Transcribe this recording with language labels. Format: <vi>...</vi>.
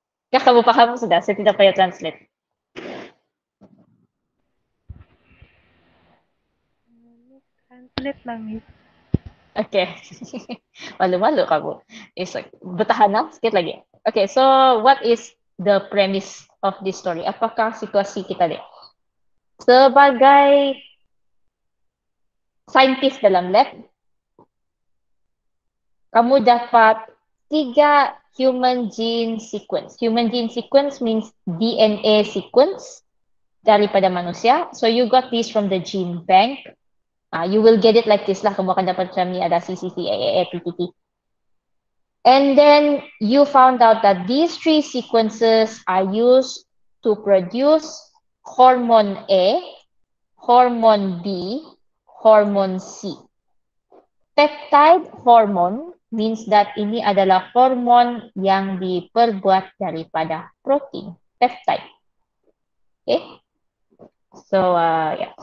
<ms>Ya, kamu paham sudah, saya tidak payah translate. Translate lang, Miss. Okay. Malu-malu kamu.</ms> <en>It's like,</en> <ms>bertahanlah, sikit lagi.</ms> <en>Okay, so what is the premise of this story?</en> <ms>Apakah situasi kita deh? Sebagai scientist dalam lab, kamu dapat tiga human gene sequence.</ms> <en>Human gene sequence means DNA sequence</en> <ms>daripada manusia.</ms> <en>So you got this from the gene bank. You will get it like this lah.</en> <ms>Kamu akan dapat macam ni, ada CCC, AAA, PTT.</ms> <en>And then you found out that these three sequences are used to produce hormone A, hormone B, hormone C.</en> <ms>Peptide hormone means that ini adalah hormon yang diperbuat daripada protein, peptide. Okay. So, yeah.</ms>